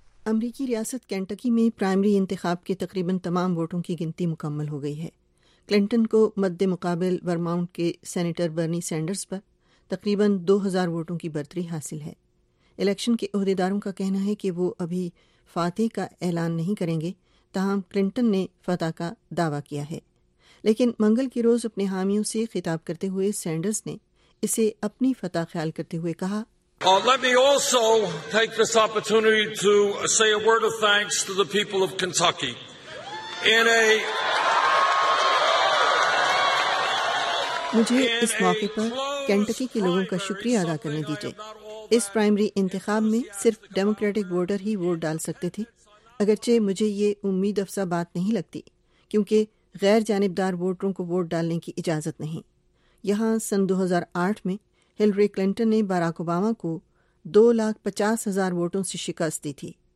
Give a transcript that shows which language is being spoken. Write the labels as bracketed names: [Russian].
[Urdu] امریکی ریاست کینٹکی میں پرائمری انتخاب کے تقریباً تمام ووٹوں کی گنتی مکمل ہو گئی ہے۔ کلنٹن کو مد مقابل ورماؤنٹ کے سینیٹر برنی سینڈرز پر تقریباً 2000 ووٹوں کی برتری حاصل ہے۔ الیکشن کے عہدیداروں کا کہنا ہے کہ وہ ابھی فاتح کا اعلان نہیں کریں گے، تاہم کلنٹن نے فتح کا دعویٰ کیا ہے۔ لیکن منگل کے روز اپنے حامیوں سے خطاب کرتے ہوئے سینڈرز نے اسے اپنی فتح خیال کرتے ہوئے کہا، [English] Let me also take this opportunity to say a word of thanks to the people of Kentucky. [Urdu] مجھے اس موقع پر کینٹکی کے لوگوں کا شکریہ ادا کرنے دیجیے۔ اس پرائمری انتخاب میں صرف ڈیموکریٹک ووٹر ہی ووٹ ڈال سکتے تھے، اگرچہ مجھے یہ امید افزا بات نہیں لگتی کیونکہ غیر جانبدار ووٹروں کو ووٹ ڈالنے کی اجازت نہیں۔ یہاں سن 2008 میں ہلری کلنٹن نے باراک اوباما کو 250,000 ووٹوں سے شکست دی تھی۔